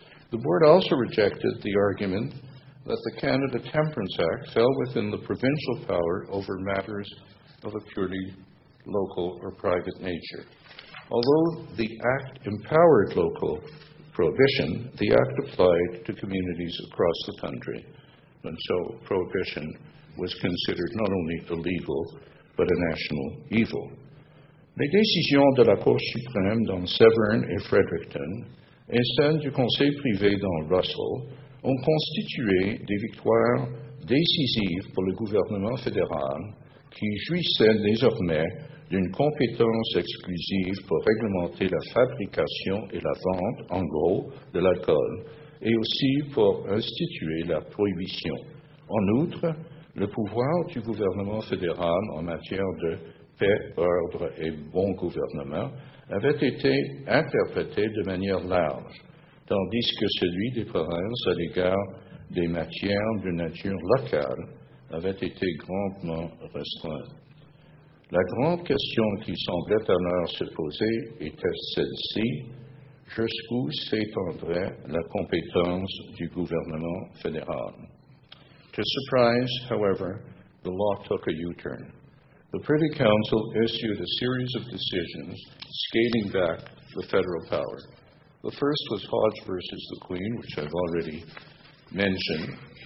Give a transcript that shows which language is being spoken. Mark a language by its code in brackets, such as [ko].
[en] The board also rejected the argument that the Canada Temperance Act fell within the provincial power over matters of a purely local or private nature. Although the Act empowered local prohibition, the Act applied to communities across the country, and so prohibition was considered not only illegal, but a national evil. [fr] Les décisions de la Cour suprême dans Severn et Fredericton et celles du Conseil privé dans Russell ont constitué des victoires décisives pour le gouvernement fédéral qui jouissait désormais d'une compétence exclusive pour réglementer la fabrication et la vente, en gros, de l'alcool et aussi pour instituer la prohibition. En outre, le pouvoir du gouvernement fédéral en matière de paix, ordre et bon gouvernement avait été interprété de manière large, tandis que celui des provinces à l'égard des matières de nature locale avait été grandement restreint. La grande question qui semblait alors se poser était celle-ci: jusqu'où s'étendrait la compétence du gouvernement fédéral? [en] To surprise, however, the law took a U-turn. The Privy Council issued a series of decisions scaling back the federal power. The first was Hodge versus the Queen, which I've already mentioned.